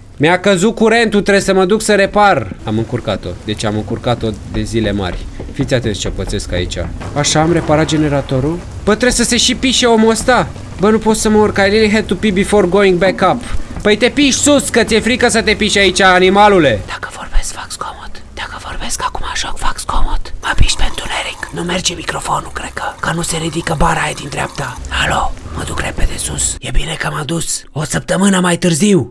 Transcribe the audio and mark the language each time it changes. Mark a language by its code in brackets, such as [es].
[ro] Mi-a căzut curentul, trebuie să mă duc să repar. Am încurcat-o, deci am încurcat-o de zile mari. Fiți atenți ce pățesc aici. Așa, am reparat generatorul. Bă, trebuie să se și pișe omul ăsta. Bă, nu pot să mă urc, [en] I really had to pee before going back up. [ro] Păi te piși sus, că ți-e frică să te piși aici, animalule. Dacă vorbesc, fac zgomot. Dacă vorbesc acum, joc, fac zgomot. Mă piși pentru Eric. Nu merge microfonul, cred că. Că nu se ridică bara aia din dreapta. Alo? Mă duc repede sus. E bine că m-a dus. O săptămână mai târziu.